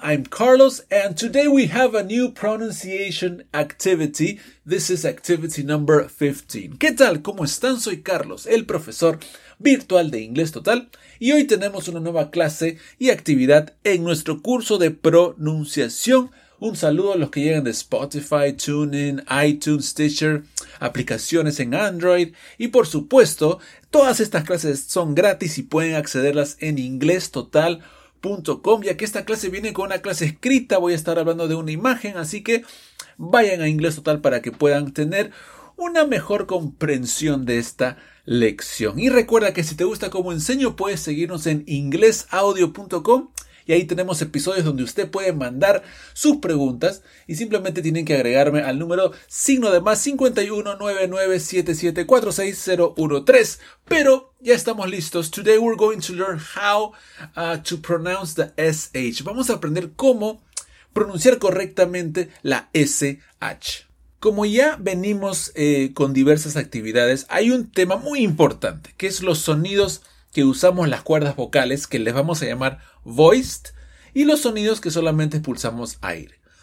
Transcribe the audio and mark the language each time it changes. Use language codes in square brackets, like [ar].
[en] I'm Carlos and today we have a new pronunciation activity. This is activity number 15. [es] ¿Qué tal? ¿Cómo están? Soy Carlos, el profesor virtual de Inglés Total y hoy tenemos una nueva clase y actividad en nuestro curso de pronunciación. Un saludo a los que llegan de Spotify, TuneIn, iTunes, Stitcher, aplicaciones en Android y por supuesto, todas estas clases son gratis y pueden accederlas en inglestotal.com ya que esta clase viene con una clase escrita, voy a estar hablando de una imagen, así que vayan a Inglés Total para que puedan tener una mejor comprensión de esta lección. Y recuerda que si te gusta cómo enseño, puedes seguirnos en inglesaudio.com. Y ahí tenemos episodios donde usted puede mandar sus preguntas y simplemente tienen que agregarme al número signo de más 51 99 77 46 013. Pero ya estamos listos. [en] Today we're going to learn how to pronounce the SH. [es] Vamos a aprender cómo pronunciar correctamente la SH. Como ya venimos con diversas actividades, hay un tema muy importante que es los sonidos que usamos las cuerdas vocales, que les vamos a llamar voiced, y los sonidos que solamente expulsamos aire.